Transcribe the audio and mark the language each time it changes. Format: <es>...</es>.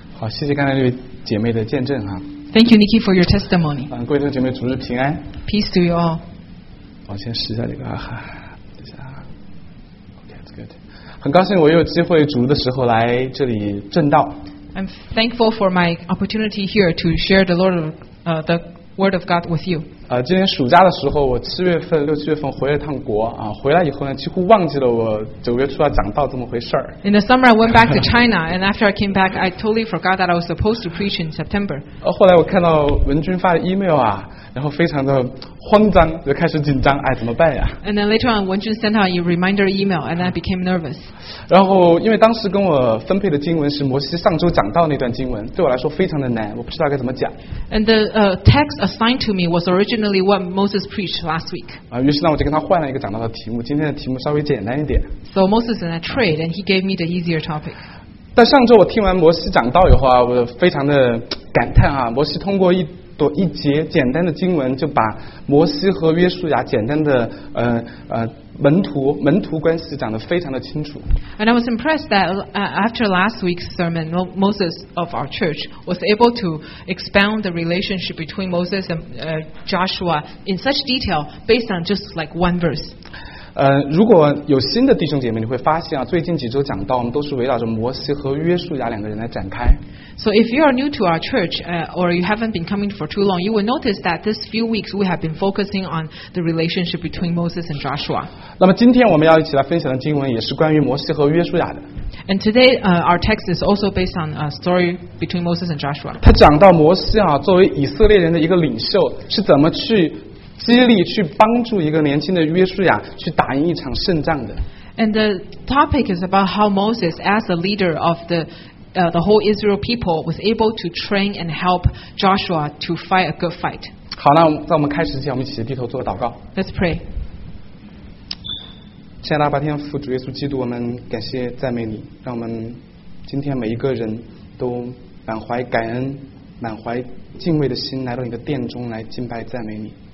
<zh>谢谢刚才这位姐妹的见证哈。</zh> <en>Thank you, Nikki, for your testimony.</en> <zh>各位弟兄姐妹，主日平安。</zh> <en>Peace to you all.</en> <zh>我先试一下这个啊，等一下。</zh> <en>Okay, it's good.</en> <zh>很高兴我有机会主日的时候来这里证道。</zh> <en>I'm thankful for my opportunity here to share the Lord, the Word of God with you.</en> <zh>今年暑假的时候，我七月份、六七月份回了趟国啊。回来以后呢，几乎忘记了我九月初要讲道这么回事儿。</zh> <en>In the summer, I went back to China, and after I came back, I totally forgot that I was supposed to preach in September.</en> <zh>后来我看到文君发的 email 啊，然后非常的慌张，就开始紧张，哎，怎么办呀</zh> <en>？And then later on, 文君 sent out a reminder email, and I became nervous.</en> <zh>然后因为当时跟我分配的经文是摩西上周讲道那段经文，对我来说非常的难，我不知道该怎么讲。</zh> <en>And the text assigned to me was originally what Moses preached last week.</en> <zh>啊，于是呢，我就跟他换了一个讲道的题目，今天的题目稍微简单一点。</zh> <en>So Moses and I trade, and he gave me the easier topic.</en> <zh>但上周我听完摩西讲道以后啊，我非常的感叹啊，摩西通过一节简单的经文就把摩西和约书亚简单的门徒关系讲得非常的清楚。</zh> <en>And I was impressed that after last week's sermon, Moses of our church was able to expound the relationship between Moses and Joshua in such detail based on just like one verse.</en> <zh>如果有新的弟兄姐妹，你会发现啊，最近几周讲到我们都是围绕着摩西和约书亚两个人来展开。</zh> <en>So if you are new to our church, or you haven't been coming for too long, you will notice that this few weeks we have been focusing on the relationship between Moses and Joshua.</en> <zh>那么今天我们要一起来分享的经文也是关于摩西和约书亚的。</zh> <en>And today, our text is also based on a story between Moses and Joshua.</en> <zh>他讲到摩西啊，作为以色列人的一个领袖，是怎么去激励、去帮助一个年轻的约书亚去打赢一场胜仗的。</zh> <en>And the topic is about how Moses, as a leader of the whole Israel people was able to train and help Joshua to fight a good fight.</en> <zh>好，那在我们开始之前，我们一起低头做个祷告。</zh> <en>Let's pray.</en> <zh>亲爱的阿爸天父，主耶稣基督，我们感谢赞美你，让我们今天每一个人都满怀感恩、满怀敬畏的心来到你的殿中来敬拜赞美你。</zh>